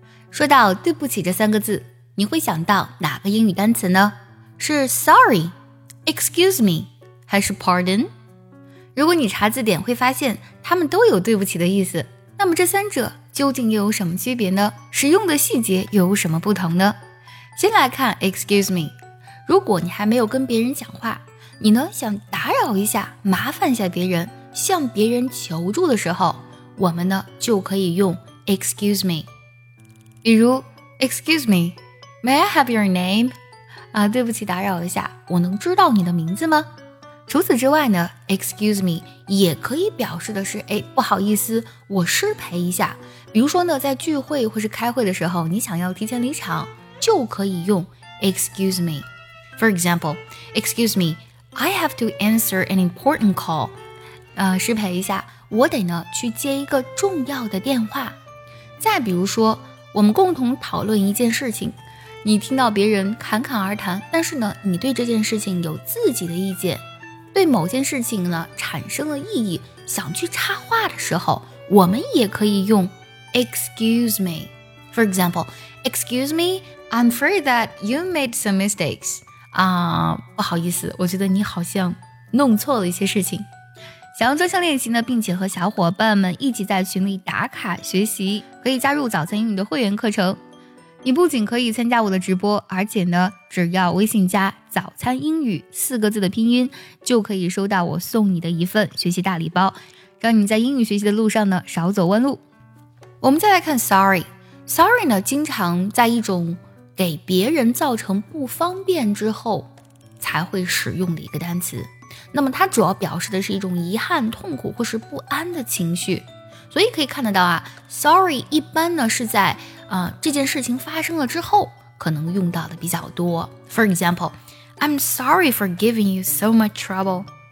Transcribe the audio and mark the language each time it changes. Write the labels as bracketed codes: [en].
[zh] 说到对不起这三个字，你会想到哪个英语单词呢？是 sorry, excuse me, 还是 pardon? 如果你查字典会发现它们都有对不起的意思，那么这三者究竟又有什么区别呢？使用的细节又有什么不同呢？先来看 excuse me。如果你还没有跟别人讲话，你呢想打扰一下，麻烦一下别人，向别人求助的时候，我们呢就可以用 excuse me。 [en] 比如 excuse me, may I have your name? [zh] 对不起打扰一下，我能知道你的名字吗？除此之外呢， excuse me 也可以表示的是，哎，不好意思，我失陪一下。比如说呢，在聚会或是开会的时候，你想要提前离场，就可以用 excuse me。 [en] For example, excuse me, I have to answer an important call. [zh] 失陪一下，我得呢去接一个重要的电话。再比如说，我们共同讨论一件事情，你听到别人侃侃而谈，但是呢，你对这件事情有自己的意见，对某件事情呢产生了异议，想去插话的时候，我们也可以用 excuse me。 [en] For example, excuse me, I'm afraid that you made some mistakes. [zh] 不好意思，我觉得你好像弄错了一些事情。想要专项练习呢，并且和小伙伴们一起在群里打卡学习，可以加入早餐英语的会员课程。你不仅可以参加我的直播，而且呢，只要微信加早餐英语四个字的拼音，就可以收到我送你的一份学习大礼包，让你在英语学习的路上呢少走弯路。我们再来看 sorry。sorry 呢经常在一种给别人造成不方便之后才会使用的一个单词，那么它主要表示的是一种遗憾、痛苦或是不安的情绪。所以可以看得到啊， sorry 一般呢是在这件事情发生了之后可能用到的比较多。 [en] For example, I'm sorry for giving you so much trouble.